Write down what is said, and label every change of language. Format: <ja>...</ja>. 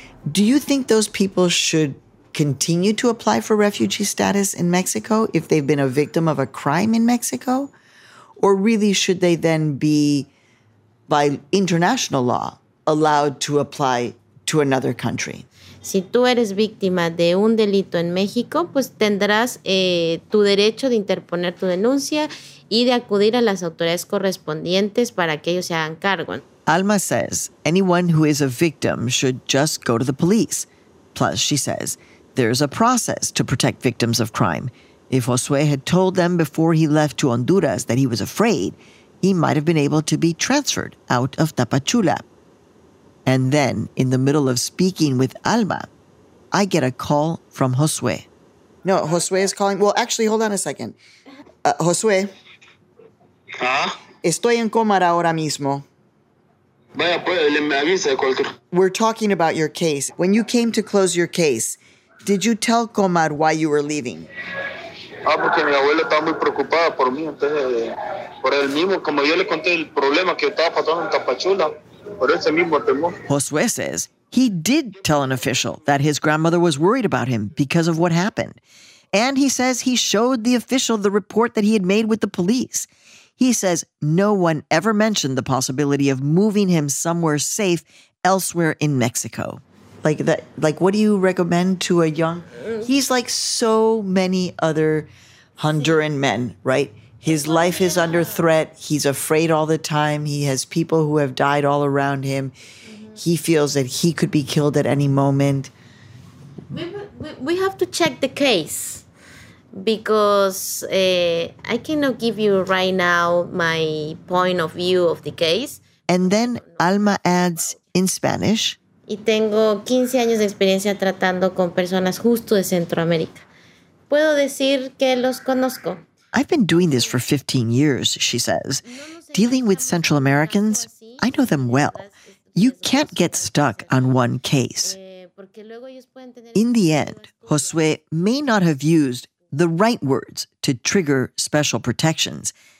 <en>Do you think those people should continue to apply for refugee status in Mexico if they've been a victim of a crime in Mexico? Or really, should they then be, by international law, allowed to apply to another country?</en> <es>Si tú eres víctima de un delito en México, pues tendrás tu derecho de interponer tu denuncia y de acudir a las autoridades correspondientes para que ellos se hagan cargo.</es> <en>Alma says anyone who is a victim should just go to the police. Plus, she says, there's a process to protect victims of crime. If Josue had told them before he left to Honduras that he was afraid, he might have been able to be transferred out of Tapachula. And then, in the middle of speaking with Alma, I get a call from Josue. No, Josue is calling. Well, actually, hold on a second. Josue. Huh?</en> <es>Estoy en Comar ahora mismo. Vaya, pues, le me avisa de cualquier.</es> <en>We're talking about your case. When you came to close your case, did you tell Comar why you were leaving?</en> <es>Ah, porque mi abuela estaba muy preocupada por mí, entonces, por el mismo, como yo le conté el problema que estaba pasando en Tapachula, por ese mismo temor.</es> <en>Josue says he did tell an official that his grandmother was worried about him because of what happened. And he says he showed the official the report that he had made with the police. He says no one ever mentioned the possibility of moving him somewhere safe elsewhere in Mexico. Like that, like what do you recommend to a young, he's like so many other Honduran men, right? His life is under threat. He's afraid all the time. He has people who have died all around him. he feels that he could be killed at any moment. We have to check the case because I cannot give you right now my point of view of the case. And then Alma adds in Spanish.</en> <es>Y tengo 15 años de experiencia tratando con personas justo de Centroamérica. Puedo decir que los conozco.</es> <en>I've been doing this for 15 years, she says. Dealing with Central Americans, I know them well. You can't get stuck on one case. In the end, Josue may not have used the right words to trigger special protections.</en>